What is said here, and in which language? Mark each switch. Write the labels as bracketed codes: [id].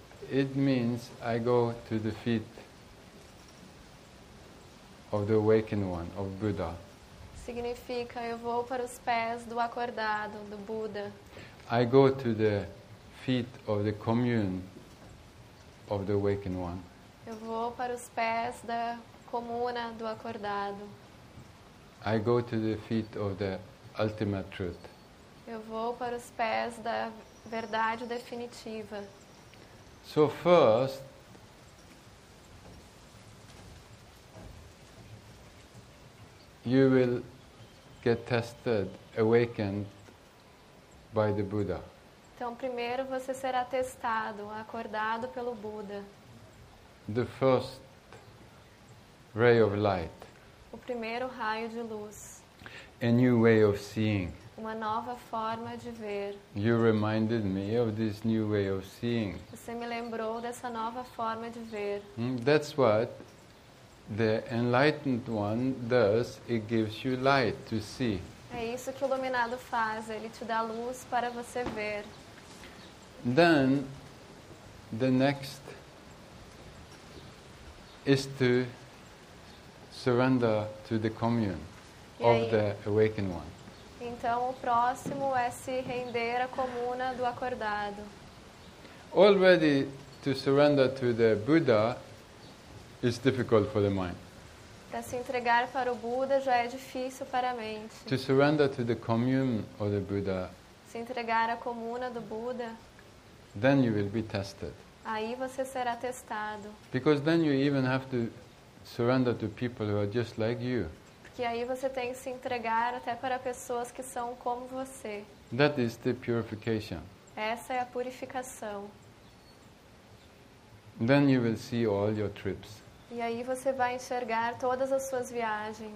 [en] It means I go to the feet of the awakened one, of Buddha. [pt] Significa eu vou para os pés do acordado, do Buda. [en] I go to the feet of the commune of the awakened one. [pt] Eu vou para os pés da comuna do acordado. [en] I go to the feet of the ultimate truth. [pt] Eu vou para os pés da verdade definitiva. [en] So first, you will get tested, awakened by the Buddha. [pt] Então, primeiro você será testado, acordado pelo Buda. [en] The first ray of light. [pt] O primeiro raio de luz. [en] A new way of seeing. [pt] Uma nova forma de ver. [en] You reminded me of this new way of seeing. [pt] Você me lembrou dessa nova forma de ver. [en] That's what the enlightened one does. It gives you light to see. [pt] É isso que o iluminado faz. Ele te dá luz para você ver. [en] Then, the next is to surrender to the commune of the awakened one. [pt] Então, o próximo é se render à comuna do acordado. [en] Already to surrender to the Buddha is difficult for the mind. [pt] Para se entregar para o Buda já é difícil para a mente. [en] To surrender to the commune of the Buddha. [pt] Se entregar à comuna do Buda. [en] Then you will be tested. [pt] Aí você será testado. [en] Because then you even have to surrender to people who are just like you. [pt] Porque aí você tem que se entregar até para pessoas que são como você. [en] That is the purification. [pt] Essa é a purificação. [en] Then you will see all your trips. [pt] E aí você vai enxergar todas as suas viagens.